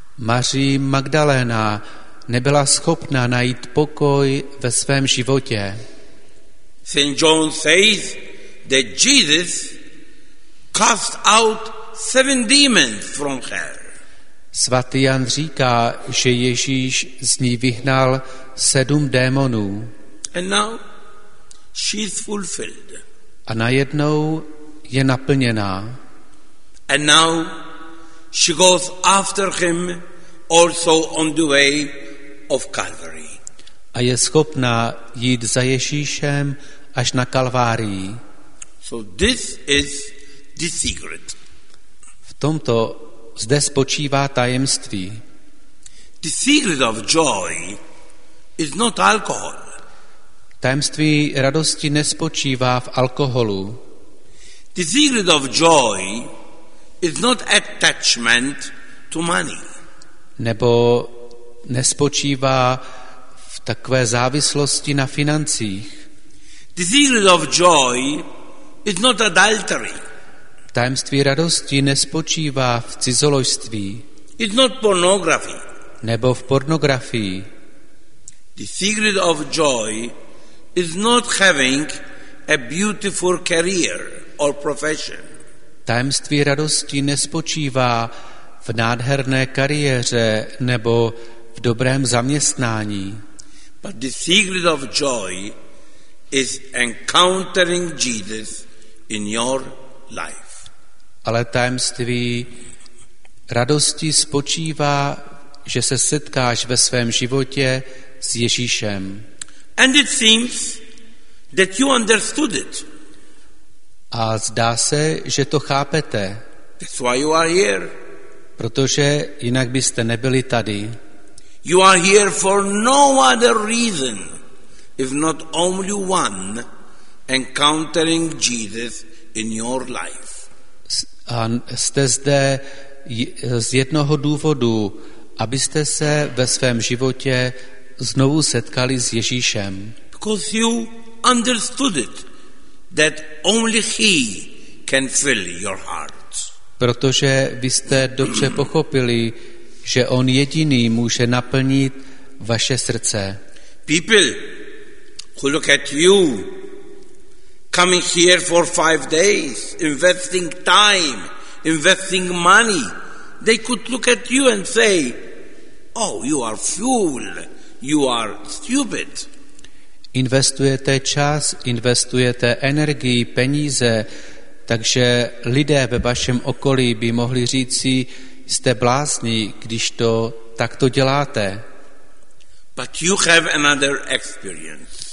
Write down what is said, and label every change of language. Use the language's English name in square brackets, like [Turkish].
[Czech] Marie Magdalena nebyla schopna najít pokoj ve svém životě. [English] St. John says that Jesus cast out seven demons from her. [Czech] Svatý Jan říká, že Ježíš z ní vyhnal sedm démonů. [English] And now She is fulfilled. [Czech] A najednou je naplněná. [English] And now she goes after him also on the way of Calvary. [Czech] A je schopná jít za Ježíšem až na Kalvárii. [English] So this is the secret. [Czech] V tomto zde spočívá tajemství. [English] The secret of joy is not alcohol. [Czech] Tajemství radosti nespočívá v alkoholu. [English] The secret of joy is not attachment to money. [Czech] Nebo nespočívá v takové závislosti na financích. [English] The secret of joy is not adultery. [Czech] Tajemství radosti nespočívá v cizoložství. [English] It's not pornography. [Czech] Nebo v pornografii. [English] The secret of joy is not having a beautiful career or profession. [Czech] Tajemství radosti nespočívá v nádherné kariéře nebo v dobrém zaměstnání. [English] But the secret of joy is encountering Jesus in your life. [Czech] Ale tajemství radosti spočívá, že se setkáš ve svém životě s Ježíšem. [English] And it seems that you understood it. [Czech] A zdá se, že to chápete. [English] That's why you are here. [Czech] Protože jinak byste nebyli tady. [English] You are here for no other reason, if not only one, encountering Jesus in your life. [Czech] A jste zde z jednoho důvodu, abyste se ve svém životě znovu setkali s Ježíšem. [English] Because you understood it, that only he can fill your heart. [Czech] Protože vy jste dobře pochopili, že on jediný může naplnit vaše srdce. [English] People who look at you coming here for 5 days, investing time, investing money, they could look at you and say, oh, you are fool. You are stupid. [Czech] Investujete čas, investujete energii, peníze, takže lidé ve vašem okolí by mohli říci, jste blázni, když to takto děláte. [English] But you have another experience.